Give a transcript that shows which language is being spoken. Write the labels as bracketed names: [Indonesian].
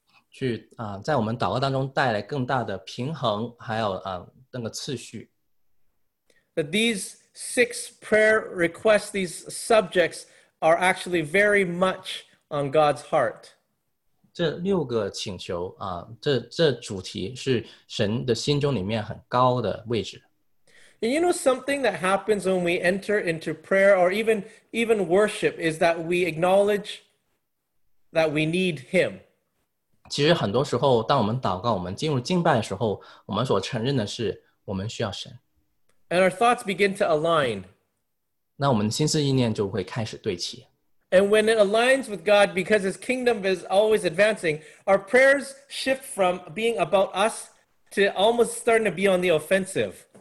[Chinese] 去在我们祷告当中带来更大的平衡，还有那个次序。 [English] That these six prayer requests, these subjects are actually very much on God's heart. [Chinese] 这六个请求这主题是神的心中里面很高的位置。 [English] And you know something that happens when we enter into prayer or even worship is that we acknowledge that we need Him. [Chinese] 其实很多时候当我们祷告我们进入敬拜的时候我们所承认的是我们需要神。 [English] And our thoughts begin to align. [Chinese] 那我们心思意念就会开始对齐。 [English] And when it aligns with God because His kingdom is always advancing, our prayers shift from being about us to almost starting to be on the offensive.